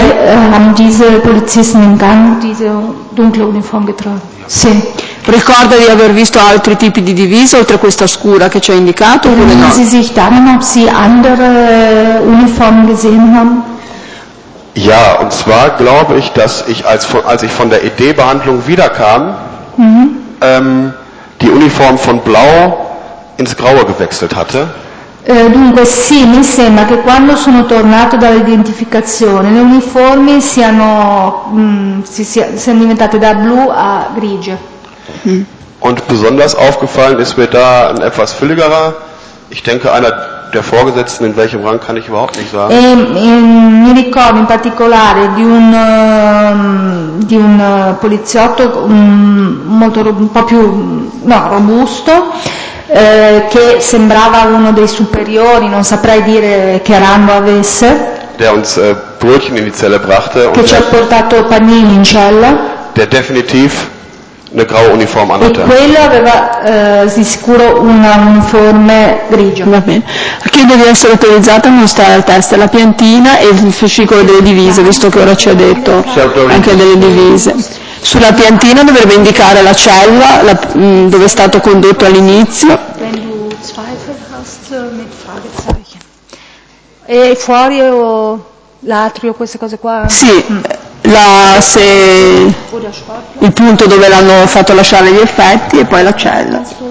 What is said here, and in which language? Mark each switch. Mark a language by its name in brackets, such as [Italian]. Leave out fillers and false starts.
[German] Also, haben diese Polizisten im Gang diese dunkle Uniform getragen? [Italian] Sì. Ricorda di aver visto altri tipi di divise oltre questa scura che ci ha indicato? [German] Erinnern Sie sich daran, ob Sie andere Uniformen gesehen haben? Ja, und zwar glaube ich, dass ich als, als ich von der ED-Behandlung wiederkam, die Uniform von Blau ins Graue gewechselt hatte. [Italian] Dunque sì, mi sembra che quando sono tornato dall'identificazione le uniformi siano, siano diventate da blu a grigio. [German] Und besonders aufgefallen ist mir da ein etwas fülligerer, ich denke einer der Vorgesetzten, in welchem Rang kann ich überhaupt nicht sagen. [Italian] Mi ricordo in particolare di un poliziotto molto un po' più robusto. Che sembrava uno dei superiori, non saprei dire che rango avesse, [German] der uns, Brötchen in die Zelle brachte, [Italian] che ci ha portato panini in cella, [German] der definitiv eine graue Uniform anhatte. [Italian] E quello aveva di sicuro una uniforme grigio. Va bene. Chiedo di essere autorizzata a mostrare la testa, la piantina e il fascicolo delle divise, visto che ora ci ha detto anche delle divise. Sulla piantina dovrebbe indicare la cella la, dove è stato condotto all'inizio. [German] Wenn du Zweifel hast, mit Fragezeichen. [Italian] E fuori o l'atrio, queste cose qua? Sì, la, se il punto dove l'hanno fatto lasciare gli effetti e poi la cella.